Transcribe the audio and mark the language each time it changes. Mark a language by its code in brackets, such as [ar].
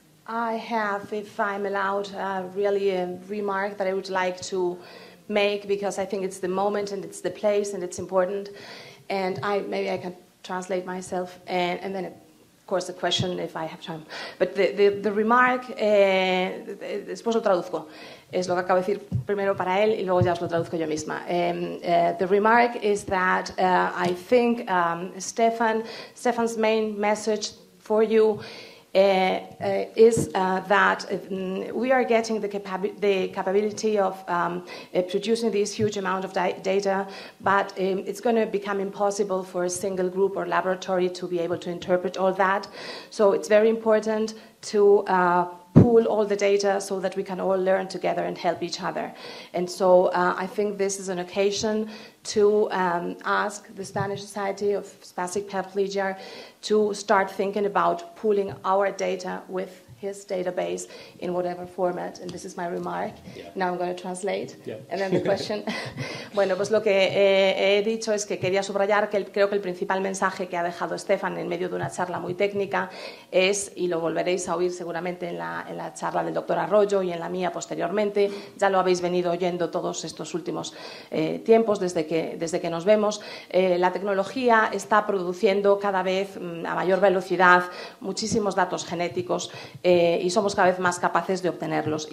[en] I have, if I'm allowed, really a remark that I would like to make, because I think it's the moment and it's the place and it's important. And maybe I can translate myself, and then, of course, a question if I have time. But the remark, [es] después lo traduzco. Es lo que acabo de decir primero para él y luego ya os lo traduzco yo misma. [en] The remark is that I think Stefan's main message for you is that we are getting the capability of producing this huge amount of data, but it's going to become impossible for a single group or laboratory to be able to interpret all that. So it's very important to pool all the data so that we can all learn together and help each other. And so I think this is an occasion to ask the Spanish Society of Spastic Paraplegia to start thinking about pooling our data with his database in whatever format. And this is my remark. Yeah. Now I'm going to translate. Yeah. And then the question. [es] Bueno, pues lo que he dicho es que quería subrayar que creo que el principal mensaje que ha dejado Stefan en medio de una charla muy técnica es, y lo volveréis a oír seguramente en la charla del doctor Arroyo y en la mía posteriormente, ya lo habéis venido oyendo todos estos últimos tiempos desde que nos vemos, la tecnología está produciendo cada vez a mayor velocidad muchísimos datos genéticos y somos cada vez más capaces de obtenerlos.